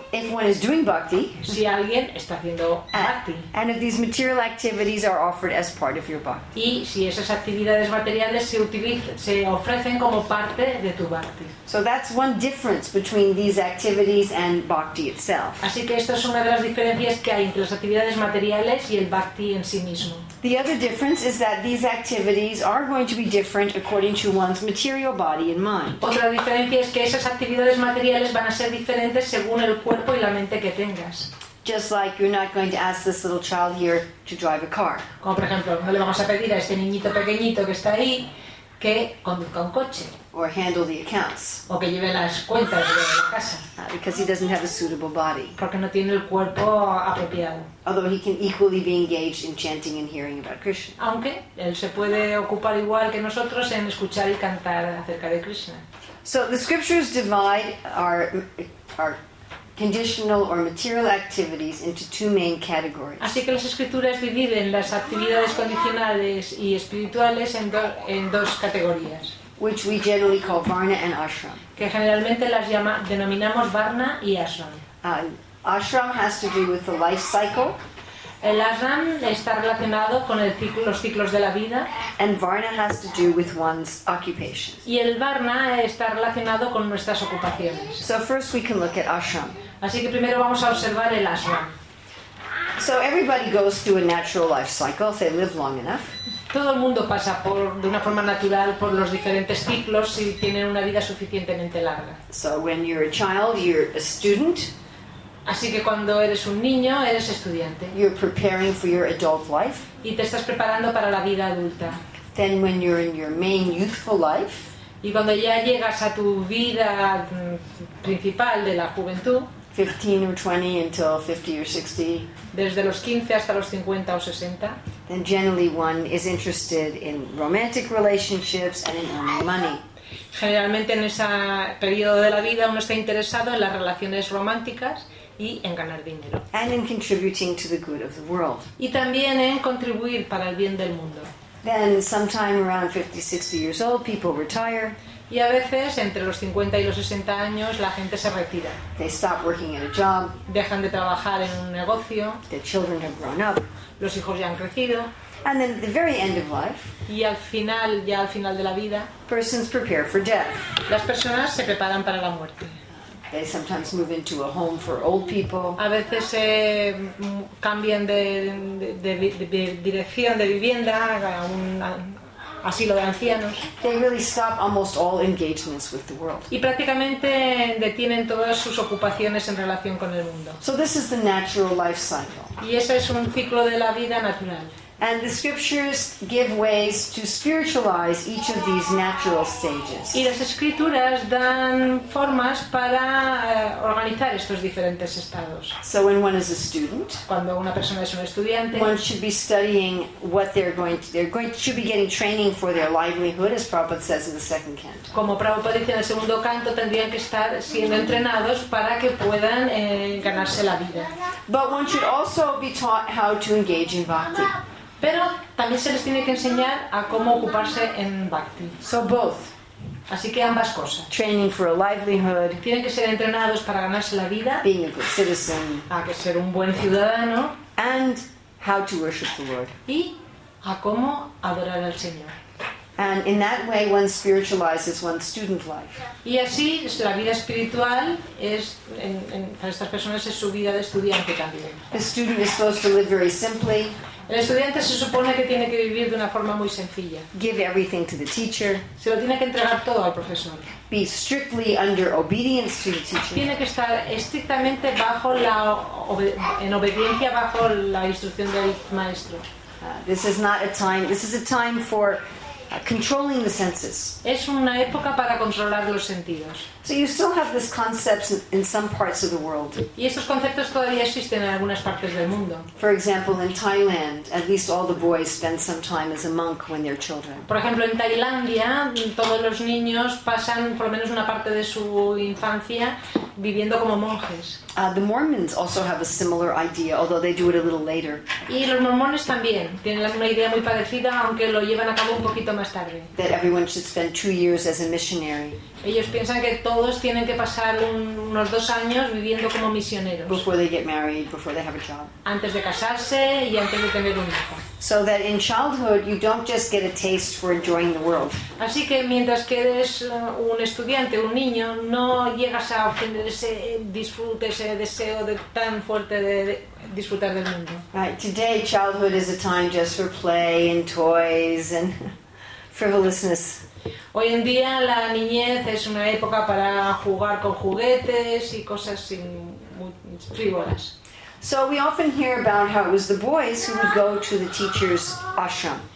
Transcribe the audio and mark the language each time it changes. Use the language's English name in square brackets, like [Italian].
[English] If one is doing bhakti, [Spanish] si alguien está haciendo bhakti. [English] And if these material activities are offered as part of your bhakti. [Spanish] Y si esas actividades materiales se ofrecen como parte de tu bhakti. [English] So that's one difference between these activities and bhakti itself. [Spanish] Así que esta es una de las diferencias que hay entre las actividades materiales y el bhakti en sí mismo. [English] The other difference is that these activities are going to be different according to one's material body and mind. [Spanish] Otra diferencia es que esas actividades materiales van a ser diferentes según el cuerpo y la mente que tengas. [English] Just like you're not going to ask this little child here to drive a car. [Spanish] Como por ejemplo, no le vamos a pedir a este niñito pequeñito que está ahí que conduzca un coche. [English] Or handle the accounts. [Spanish] O que lleve las cuentas de la casa. [English] Because he doesn't have a suitable body. [Spanish] Porque no tiene el cuerpo apropiado. [English] Although he can equally be engaged in chanting and hearing about Krishna. [Spanish] Aunque él se puede ocupar igual que nosotros en escuchar y cantar acerca de Krishna. [English] So the scriptures divide our conditional or material activities into two main categories. [Spanish] Así que las escrituras dividen las actividades condicionales y espirituales en dos categorías. [English] Which we generally call varna and ashram. [Spanish] Que generalmente las denominamos varna y ashram. [English] Ashram has to do with the life cycle. [Spanish] El ashram está relacionado con los ciclos de la vida. [English] And varna has to do with one's occupations. [Spanish] Y el varna está relacionado con nuestras ocupaciones. [English] So first we can look at ashram. [Spanish] Así que primero vamos a observar el ashram. [English] So everybody goes through a natural life cycle if they live long enough. [Spanish] Todo el mundo pasa de una forma natural por los diferentes ciclos si tienen una vida suficientemente larga. [English] So when you're a child, you're a student. [Spanish] Así que cuando eres un niño, eres estudiante. [English] You're preparing for your adult life. [Spanish] Y te estás preparando para la vida adulta. [English] Then when you're in your main youthful life. [Spanish] Y cuando ya llegas a tu vida principal de la juventud. [English] 15 or 20 until 50 or 60. [Spanish] Desde los 15 hasta los 50 o 60. [English] Then generally one is interested in romantic relationships and in earning money. [Spanish] Generalmente en ese periodo de la vida uno está interesado en las relaciones románticas y en ganar dinero. [English] And in contributing to the good of the world. [Spanish] Y también en contribuir para el bien del mundo. [English] Then sometime around 50, 60 years old, people retire. [Spanish] Y a veces, entre los 50 y los 60 años, la gente se retira. [English] They stop working at a job. [Spanish] Dejan de trabajar en un negocio. [English] Their children have grown up. [Spanish] Los hijos ya han crecido. [English] And then at the very end of life, [Spanish] y al final, ya al final de la vida, [English] persons prepare for death. [Spanish] Las personas se preparan para la muerte. [English] They sometimes move into a home for old people. [Spanish] A veces cambian de dirección de vivienda a un asilo de ancianos. [English] They really stop almost all engagements with the world. [Spanish] Y prácticamente detienen todas sus ocupaciones en relación con el mundo. [English] So this is the natural life cycle. [Spanish] Y ese es un ciclo de la vida natural. [English] And the scriptures give ways to spiritualize each of these natural stages. [Spanish] Y las escrituras dan formas para organizar estos diferentes estados. [English] So when one is a student, [Spanish] cuando una persona es un estudiante, [English] one should be studying what should be getting training for their livelihood, as Prabhupada says in the second canto. [Spanish] Como Prabhupada dice en el segundo canto, tendrían que estar siendo entrenados para que puedan ganarse la vida. [English] But one should also be taught how to engage in bhakti. [Spanish] Pero también se les tiene que enseñar a cómo ocuparse en bhakti. [English] So both. [Spanish] Así que ambas cosas. [English] Training for a livelihood. [Spanish] Tienen que ser entrenados para ganarse la vida. [English] Being a good citizen. [Spanish] A que ser un buen ciudadano. [English] And how to worship the Lord. [Spanish] Y a cómo adorar al Señor. [English] And in that way one spiritualizes one's student life. [Spanish] Y así la vida espiritual es para estas personas es su vida de estudiante también. [English] The student is supposed to live very simply. [Spanish] El estudiante se supone que tiene que vivir de una forma muy sencilla. [English] Give everything to the teacher. [Spanish] Se lo tiene que entregar todo al profesor. [English] Be strictly under obedience to the teacher. [Spanish] Tiene que estar estrictamente bajo en obediencia bajo la instrucción del maestro. [English] This is a time for controlling the senses. [Spanish] Es una época para controlar los sentidos. [English] So you still have these concepts in some parts of the world. [Spanish] Y esos conceptos todavía existen en algunas partes del mundo. [English] For example, in Thailand, at least all the boys spend some time as a monk when they're children. [Spanish] Por ejemplo, en Tailandia, todos los niños pasan por lo menos una parte de su infancia viviendo como monjes. [English] The Mormons also have a similar idea, although they do it a little later. [Spanish] Y los mormones también tienen una idea muy parecida, aunque lo llevan a cabo un poquito más tarde. [English] That everyone should spend 2 years as a missionary. [Spanish] Ellos piensan que todos tienen que pasar unos 2 años viviendo como misioneros. [English] Before they get married, before they have a job. [Spanish] Antes de casarse y antes de tener un hijo. [English] So that in childhood you don't just get a taste for enjoying the world. [Spanish] Así que mientras que eres un estudiante, un niño, no llegas a obtener ese disfrute, ese deseo de tan fuerte de disfrutar del mundo. [English] Right. Today childhood is a time just for play and toys and frivolousness. [Spanish] Hoy en día la niñez es una época para jugar con juguetes y cosas sin frívolas. [English] So we often hear about how it was the boys who would go to the teacher's ashram.